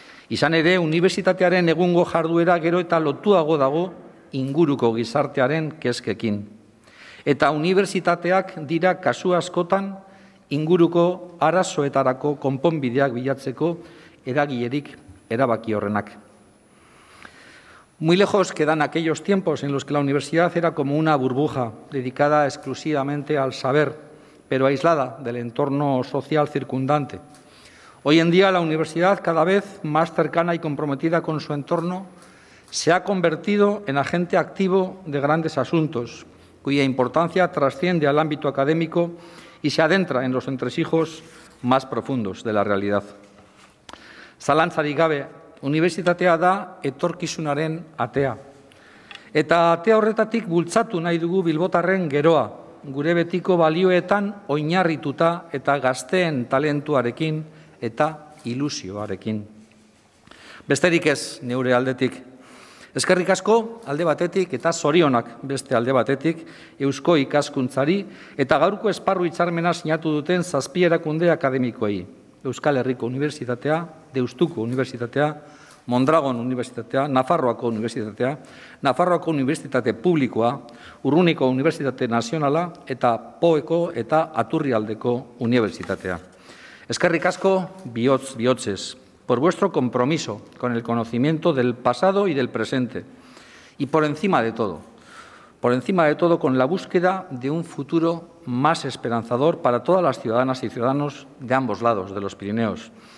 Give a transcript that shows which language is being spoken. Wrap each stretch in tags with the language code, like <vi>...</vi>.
<eu>Izan ere, unibertsitatearen egungo jarduera gero eta lotuago dago inguruko gizartearen kezkekin. Eta unibertsitateak dira kasu askotan inguruko arazoetarako konponbideak bilatzeko eragilerik erabaki horrenak.</eu> <es>Muy lejos quedan aquellos tiempos en los que la universidad era como una burbuja dedicada exclusivamente al saber, pero aislada del entorno social circundante. Hoy en día la universidad, cada vez más cercana y comprometida con su entorno, se ha convertido en agente activo de grandes asuntos, cuya importancia trasciende al ámbito académico y se adentra en los entresijos más profundos de la realidad.</es> <eu>Zalantzarik gabe, unibertsitatea da etorkizunaren atea. Eta atea horretatik bultzatu nahi dugu bilbotarren geroa, gure betiko balioetan oinarrituta eta gazteen talentuarekin eta ilusioarekin. Besterik ez, neure aldetik. Eskerrik asko alde batetik eta zorionak beste alde batetik Eusko Ikaskuntzari eta gaurko esparru hitzarmena sinatu duten zazpi erakunde akademikoei. Euskal Herriko Unibertsitatea, Deustuko Unibertsitatea, Mondragon Unibertsitatea, Nafarroako Unibertsitatea, Nafarroako Unibertsitate Publikoa, Urruniko Unibertsitate Nazionala eta Poeko eta Aturrialdeko Unibertsitatea. Eskerrik asko bihotz-bihotzez,</eu> <es>por vuestro compromiso con el conocimiento del pasado y del presente, y por encima de todo con la búsqueda de un futuro más esperanzador para todas las ciudadanas y ciudadanos de ambos lados de los Pirineos.</es>